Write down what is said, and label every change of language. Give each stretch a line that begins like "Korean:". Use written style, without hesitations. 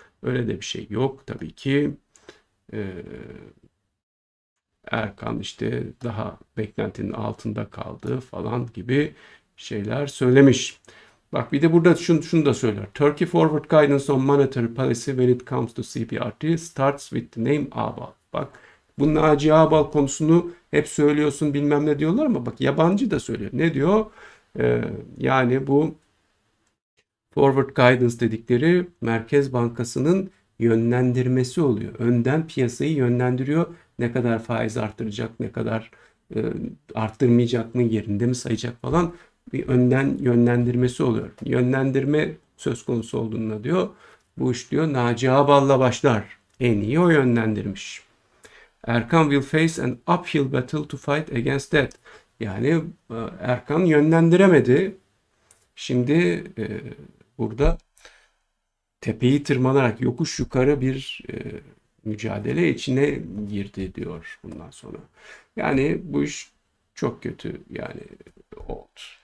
Turkish: Öyle de bir şey yok tabii ki. Erkan işte daha beklentinin altında kaldı falan gibi şeyler söylemiş. Bak bir de burada şunu da söyler.
English: Turkey Forward Guidance on Monetary Policy when it comes to CBRT starts with the name Ağbal.
Turkish: Bak bu Naci Ağbal konusunu hep söylüyorsun bilmem ne diyorlar ama bak yabancı da söylüyor. Ne diyor? Yani bu Forward Guidance dedikleri Merkez Bankası'nın yönlendirmesi oluyor. Önden piyasayı yönlendiriyor. Ne kadar faiz arttıracak, ne kadar arttırmayacak mı, yerinde mi sayacak falan bir önden yönlendirmesi oluyor. Yönlendirme söz konusu olduğunda diyor, bu iş diyor Naci Ağbal'la başlar. En iyi o yönlendirmiş.
English: Erkan will face an uphill battle to fight against that.
Turkish: Yani Erkan yönlendiremedi. Şimdi burada tepeyi tırmanarak yokuş yukarı bir mücadele içine girdi diyor bundan sonra. Yani bu iş çok kötü yani oldu.